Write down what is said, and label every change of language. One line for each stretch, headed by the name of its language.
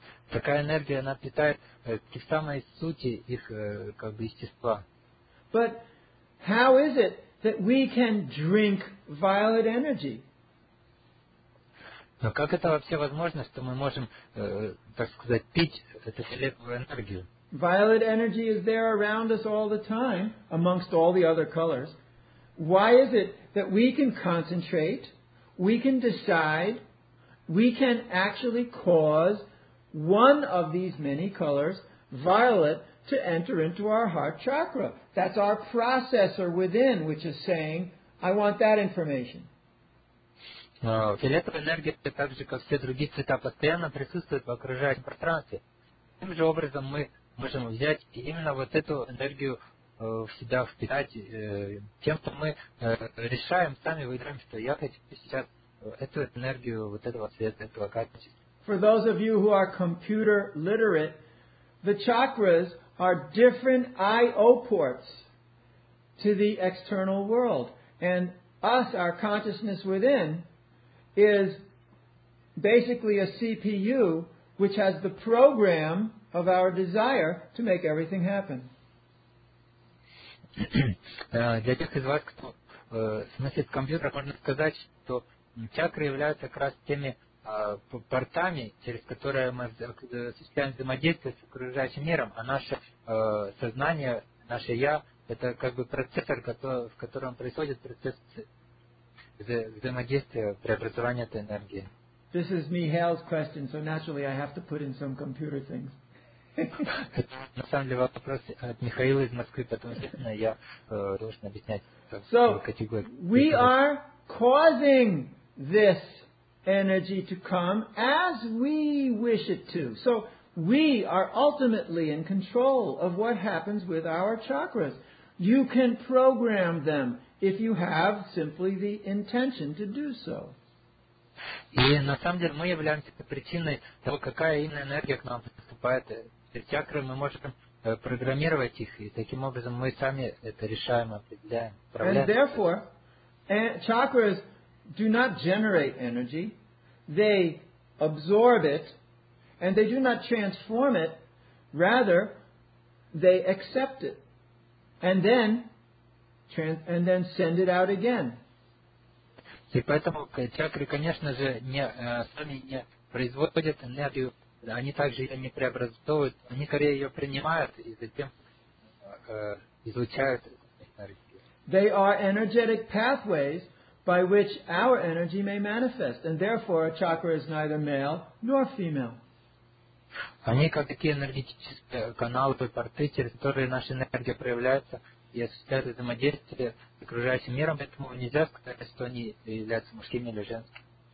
Russian: Такая энергия, она питает те самые сути их как бы естества.
English: But how is it that we can drink violet energy?
Russian: Но как это вообще возможно, что мы можем, так сказать, пить эту фиолетовую энергию?
English: Violet energy is there around us all the time, amongst all the other colors. Why is it that we can concentrate, we can decide, we can actually cause one of these many colors, violet, to enter into our heart chakra? That's our processor within, which is saying, I want that information.
Russian: Фиолетовая энергия, так же, как все другие цвета, постоянно присутствует в окружающем пространстве. Таким же образом мы можем взять и именно вот эту энергию в себя впитать тем, что мы решаем, сами выбираем, что я хочу сейчас эту энергию, вот этого цвета, этого качества.
English: For those of you who are computer literate, the chakras are different I.O. ports to the external world. And us, our consciousness within, is basically a CPU which has the program of our desire to make everything happen.
Russian: Для тех из вас, кто смыслит компьютер, можно сказать, что чакры являются как раз теми портами, через которые мы осуществляем взаимодействие с окружающим миром, а наше сознание, наше я, это как бы процессор, в котором происходит процесс взаимодействия, преобразования этой энергии.
English: This is Mihail's question, so naturally I have to put in some computer things.
Russian: На самом деле вопрос от Михаила из Москвы, поэтому, естественно, я должен объяснять.
English: So, we are causing this energy to come as we wish it to. So, we are ultimately in control of what happens with our chakras. You can program them if you have simply the intention to do so.
Russian: И на самом деле мы являемся причиной того, какая именно энергия к нам поступает. Чакры мы можем программировать их, и таким образом мы сами это решаем, определяем, управляем.
English: And therefore, chakras do not generate energy. They absorb it, and they do not transform it. Rather, they accept it, and then send it out again.
Russian: И поэтому чакры, конечно же, сами не производят энергию, они также ее не преобразовывают, они скорее ее принимают и затем излучают энергию.
English: They are energetic pathways by which our energy may manifest, and therefore a chakra is neither male nor female.
Russian: Они как такие энергетические каналы, порты, через которые наша энергия проявляется и осуществляет взаимодействие с окружающим миром, поэтому нельзя сказать, что они являются мужскими или женскими.